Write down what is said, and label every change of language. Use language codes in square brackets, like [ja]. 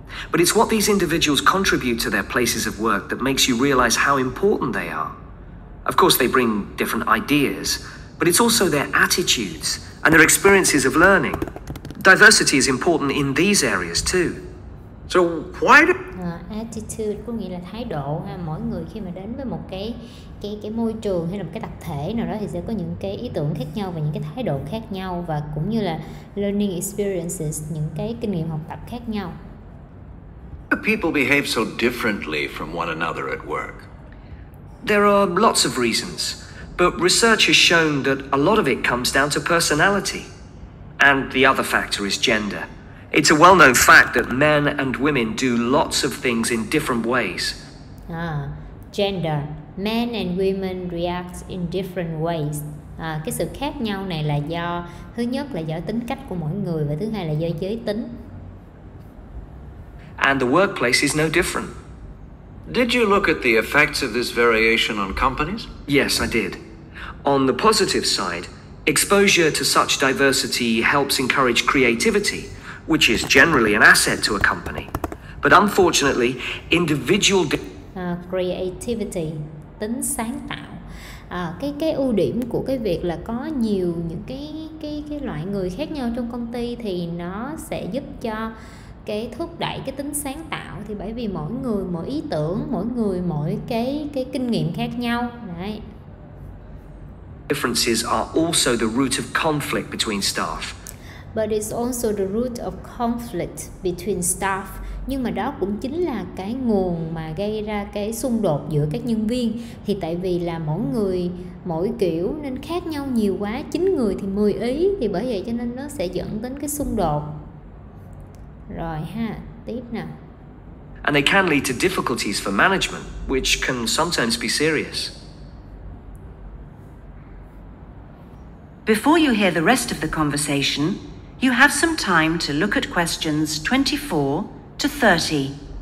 [en] But it's what these individuals contribute to their places of work that makes you realize how important they are. Of course, they bring different ideas, but it's also their attitudes and their experiences of learning. Diversity is important in these areas too. So why do... [vi] Attitude có nghĩa là thái độ ha. Mỗi người khi mà đến với một cái môi trường hay là một cái tập thể nào đó thì sẽ có những cái ý tưởng khác nhau và những cái thái độ khác nhau, và cũng như là [en] learning experiences, [vi] những cái kinh nghiệm học tập khác nhau. [en] Why do people behave so differently from one another at work? There are lots of reasons, but research has shown that a lot of it comes down to personality. And the other factor is gender. It's a well-known fact that men and women do lots of things in different ways. Gender. Men and women react in different ways. [vi] Cái sự khác nhau này là do, thứ nhất là do tính cách của mỗi người, và thứ hai là do giới tính. [en] And the workplace is no different. Did you look at the effects of this variation on companies? Yes, I did. On the positive side, exposure to such diversity helps encourage creativity, which is generally an asset to a company. But unfortunately, individual [vi] creativity, tính sáng tạo. Cái ưu điểm của cái việc là có nhiều những cái loại người khác nhau trong công ty thì nó sẽ giúp cho cái thúc đẩy cái tính sáng tạo, thì bởi vì mỗi người mỗi ý tưởng, mỗi người mỗi cái kinh nghiệm khác nhau. Đấy. [en] Differences are also the root of conflict between staff. But it's also the root of conflict between staff. [vi] Nhưng mà đó cũng chính là cái nguồn mà gây ra cái xung đột giữa các nhân viên. Thì tại vì là mỗi người mỗi kiểu nên khác nhau nhiều quá, 9 người thì 10 ý, thì bởi vậy cho nên nó sẽ dẫn đến cái xung đột. Rồi ha, tiếp nè. [en] And they can lead to difficulties for management, which can sometimes be serious. Before you hear the rest of the conversation, you have some time to look at questions 24 to 30.